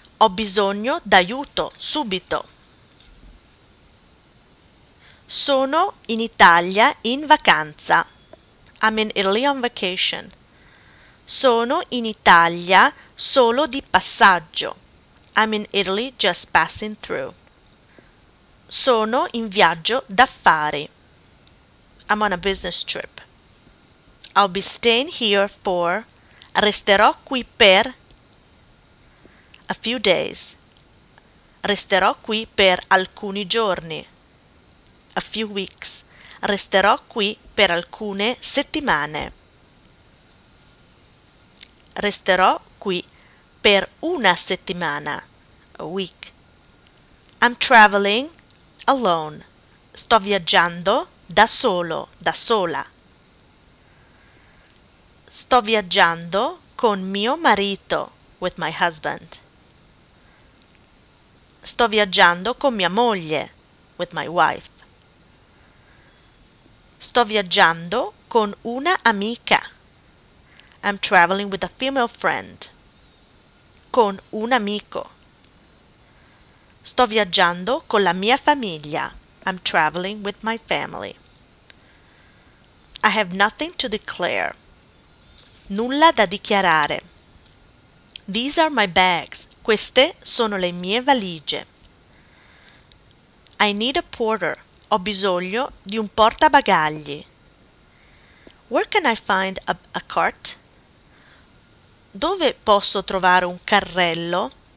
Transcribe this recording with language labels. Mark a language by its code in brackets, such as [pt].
[it] Ho bisogno d'aiuto, subito. Sono in Italia in vacanza. [en] I'm in Italy on vacation. [it] Sono in Italia solo di passaggio. [en] I'm in Italy just passing through. [it] Sono in viaggio d'affari. [en] I'm on a business trip. I'll be staying here for... [it] Resterò qui per... [en] A few days. [it] Resterò qui per alcuni giorni. [en] A few weeks. [it] Resterò qui per alcune settimane. Resterò qui per una settimana. [en] A week. I'm traveling alone. [it] Sto viaggiando da solo, da sola. Sto viaggiando con mio marito. [en] With my husband. [it] Sto viaggiando con mia moglie. [en] With my wife. [it] Sto viaggiando con una amica. [en] I'm traveling with a female friend. [it] Con un amico. Sto viaggiando con la mia famiglia. [en] I'm traveling with my family. I have nothing to declare. [it] Nulla da dichiarare. [en] These are my bags. [it] Queste sono le mie valigie. [en] I need a porter. [it] Ho bisogno di un portabagagli. [en] Where can I find a cart? [it] Dove posso trovare un carrello?